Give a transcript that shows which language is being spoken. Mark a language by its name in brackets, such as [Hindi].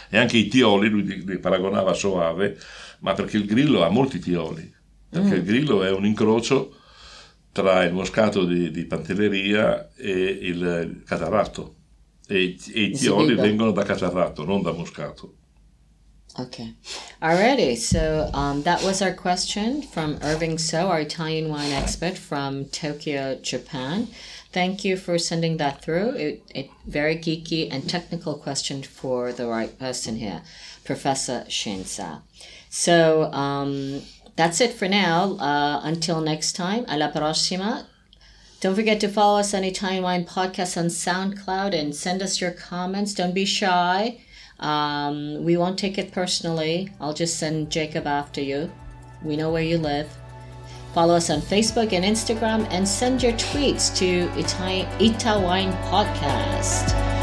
[Italian] E anche i tioli, lui li paragonava a Soave, ma perché il Grillo ha molti tioli, perché il Grillo è un incrocio tra il moscato di Pantelleria e il Catarratto, e i tioli vengono da Catarratto, non da moscato. [English] Okay, alrighty, so that was our question from Irving So, our Italian wine expert from Tokyo, Japan. Thank you for sending that through. It very geeky and technical question for the right person here, Professor Shinza. So that's it for now. Until next time, [Italian] alla prossima. [English] Don't forget to follow us on Italian Wine Podcast on SoundCloud and send us your comments. Don't be shy. We won't take it personally. I'll just send Jacob after you. We know where you live. Follow us on Facebook and Instagram and send your tweets to Italwine Podcast.